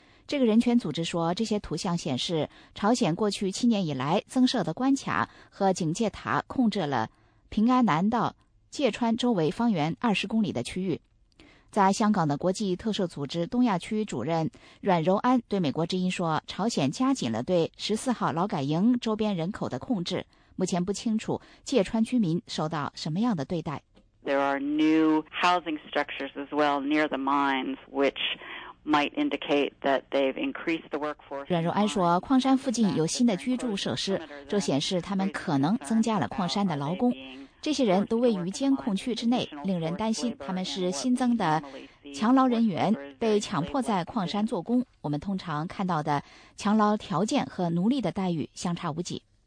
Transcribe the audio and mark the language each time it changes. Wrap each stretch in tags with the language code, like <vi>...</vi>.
<zh>这个人权组织说，这些图像显示朝鲜过去7年以来增设的关卡和警戒塔控制了平安南道芥川周围方圆20公里的区域。在香港的国际特赦组织东亚区主任阮柔安对美国之音说，朝鲜加紧了对14号劳改营周边人口的控制，目前不清楚芥川居民受到什么样的对待。</zh> <en>There are new housing structures as well near the mines, which might indicate that they've increased the workforce.</en> <zh>阮柔安说，矿山附近有新的居住设施，这显示他们可能增加了矿山的劳工。这些人都位于监控区之内，令人担心他们是新增的强劳人员，被强迫在矿山做工。我们通常看到的强劳条件和奴隶的待遇相差无几。</zh>